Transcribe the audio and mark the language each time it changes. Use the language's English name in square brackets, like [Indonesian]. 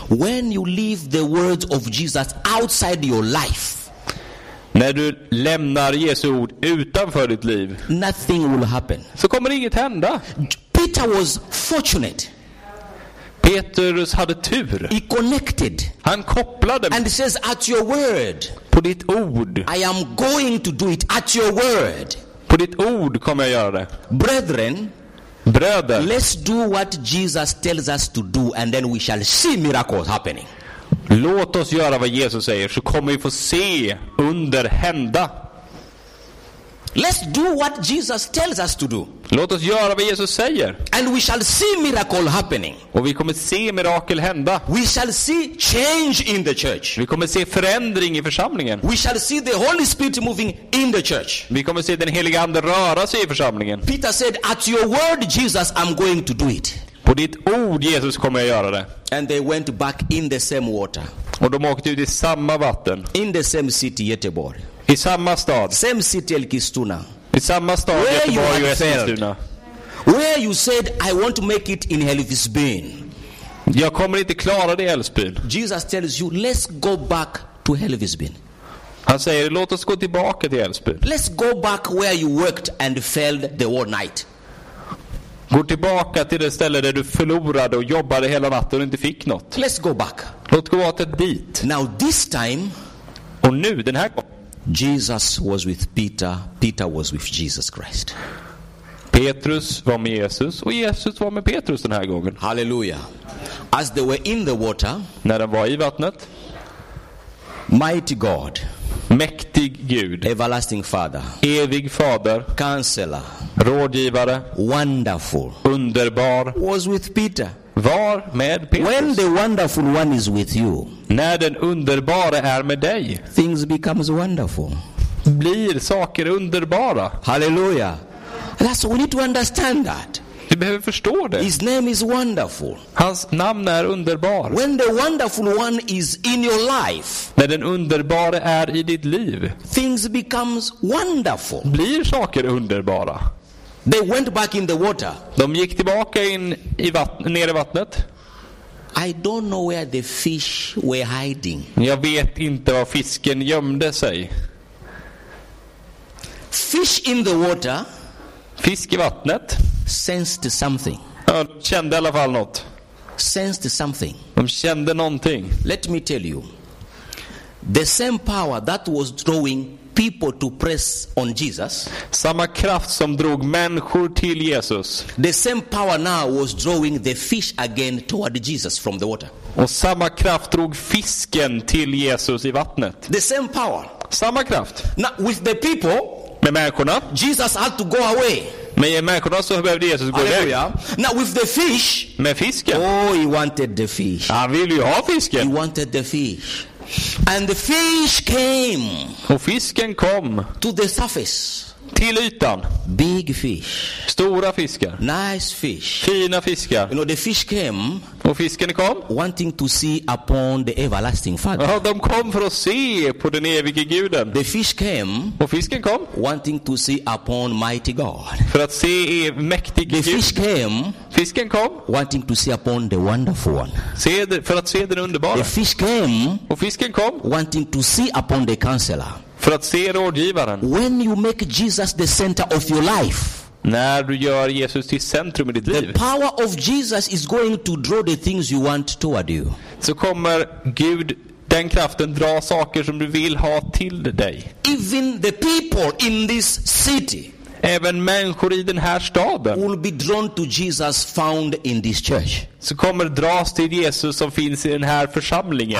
[English] When you leave the words of Jesus outside your life. [Swedish] När du lämnar Jesu ord utanför ditt liv. [English] Nothing will happen. [Swedish] Så kommer inget hända. [English] Peter was fortunate. [Swedish] Petrus hade tur. [English] He connected. [Swedish] Han kopplade. [English] And he says at your word. [Swedish] På ditt ord. [English] I am going to do it at your word. [Swedish] På ditt ord kommer jag göra det. [English] Brethren, [Swedish] bröder, [English] let's do what Jesus tells us to do and then we shall see miracles happening. [Swedish] Låt oss göra vad Jesus säger så kommer vi få se under hända. [English] Let's do what Jesus tells us to do. [Swedish] Låt oss göra vad Jesus säger. [English] And we shall see miracle happening. [Swedish] Och vi kommer se mirakel hända. [English] We shall see change in the church. [Swedish] Vi kommer se förändring i församlingen. [English] We shall see the Holy Spirit moving in the church. [Swedish] Vi kommer se den heliga ande röra sig i församlingen. [English] Peter said, "At your word, Jesus, I'm going to do it." [Swedish] På ditt ord, Jesus, kommer jag göra det. [English] And they went back in the same water. [Swedish] Och de åkte ut i samma vatten. [English] In the same city, Göteborg. [Swedish] I samma stad. [English] Same city, Eskilstuna. [Swedish] I samma stad, [English] where [Swedish] Göteborg och Eskilstuna. [English] Where you said, I want to make it in Helsingborg. [Swedish] Jag kommer inte klara det i Helsingborg. [English] Jesus tells you, let's go back to Helsingborg. [Swedish] Han säger, låt oss gå tillbaka till Helsingborg. [English] Let's go back where you worked and failed the whole night. [Swedish] Gå tillbaka till det ställe där du förlorade och jobbade hela natten och inte fick något. [English] Let's go back. [Swedish] Låt gå åt ett dit. [English] Now this time. [Swedish] Och nu, den här gången. [English] Jesus was with Peter. Peter was with Jesus Christ. [Swedish] Petrus var med Jesus och Jesus var med Petrus den här gången. [English] Halleluja. As they were in the water. [Swedish] När de var i vattnet. [English] Mighty God. [Swedish] Mäktig Gud. [English] Everlasting Father. [Swedish] Evig fader. [English] Counselor. [Swedish] Rådgivare. [English] Wonderful. [Swedish] Underbar. [English] Was with Peter. [Swedish] Var med Petrus. [English] When the wonderful one is with you. [Swedish] När den underbara är med dig. [English] Things becomes wonderful. [Swedish] Blir saker underbara. [English] Halleluja. That's what we need to understand that. [Swedish] Du behöver förstå det. [English] His name is wonderful. [Swedish] Hans namn är underbar. [English] When the wonderful one is in your life. [Swedish] När den underbara är i ditt liv. [English] Things becomes wonderful. [Swedish] Blir saker underbara. [English] They went back in the water. [Swedish] De gick tillbaka in i vattnet, ner i vattnet. [English] I don't know where the fish were hiding. [Swedish] Jag vet inte var fisken gömde sig. [English] Fish in the water. [Swedish] Fisk i vattnet. [English] Sensed something. [Swedish] Ja, de kände i alla fall något. [English] Sensed something. [Swedish] De kände någonting. [English] Let me tell you. The same power that was drawing people to press on Jesus. [Swedish] Samma kraft som drog människor till Jesus. [English] The same power now was drawing the fish again toward Jesus from the water. [Swedish] Och samma kraft drog fisken till Jesus i vattnet. [English] The same power. [Swedish] Samma kraft. [English] Now with the people. [Swedish] Med människorna. [English] Jesus had to go away. [Swedish] Med människorna så behövde Jesus gå iväg. [English] Now with the fish. [Swedish] Med fisken. [English] Oh, he wanted the fish. [Swedish] Han ville ju ha fisken. [English] He wanted the fish. And the fish came. [Swedish] Och fisken kom. [English] To the surface. [Swedish] Till ytan. [English] Big fish. [Swedish] Stora fiskar. [English] Nice fish. [Swedish] Fina fiskar. [English] You know, the fish came. [Swedish] Och fisken kom. [English] Wanting to see upon the everlasting Father. [Swedish] Ja, de kom för att se på den evige guden. [English] The fish came. [Swedish] Och fisken kom. [English] Wanting to see upon mighty God. [Swedish] För att se mäktig [English] the [Swedish] Gud. [English] Fish came. [Swedish] Fisken kom, [English] wanting to see upon the wonderful one. [Swedish] För att se den underbara. [English] The fish came, [Swedish] och fisken kom, [English] wanting to see upon the counselor. [Swedish] För att se rådgivaren. [English] When you make Jesus the center of your life, [Swedish] när du gör Jesus till centrum i ditt [English] the [Swedish] liv. [English] The power of Jesus is going to draw the things you want toward you. [Swedish] Så kommer Gud, den kraften dra saker som du vill ha till dig. [English] Even the people in this city, [Swedish] även människor i den här staden, [English] will be drawn to Jesus found in this church. [Swedish] Så kommer dras till Jesus som finns i den här församlingen.